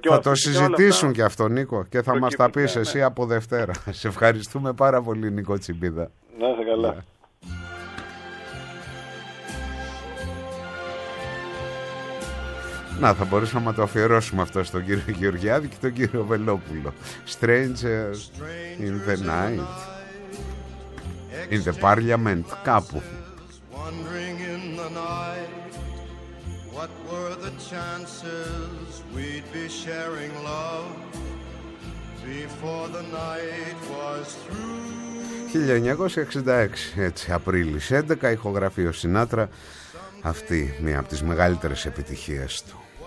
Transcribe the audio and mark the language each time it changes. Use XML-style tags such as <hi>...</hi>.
<el>Θα το συζητήσουν και αυτό, Νίκο, και θα μας τα πεις εσύ από Δευτέρα. Σε ευχαριστούμε πάρα πολύ, Νίκο Τσιμπίδα. Να είσαι καλά. Να, θα μπορούσαμε να το αφιερώσουμε αυτό στον κύριο Γεωργιάδη και τον κύριο Βελόπουλο.</el> <en>Strangers in the night, in the parliament, κάπου. Wandering in the night, what were the chances we'd be sharing love before the night was through.</en> <el>1966, έτσι, Απρίλης 11, ηχογραφείο Σινάτρα, αυτή μια από τις μεγαλύτερες επιτυχίες του.</el>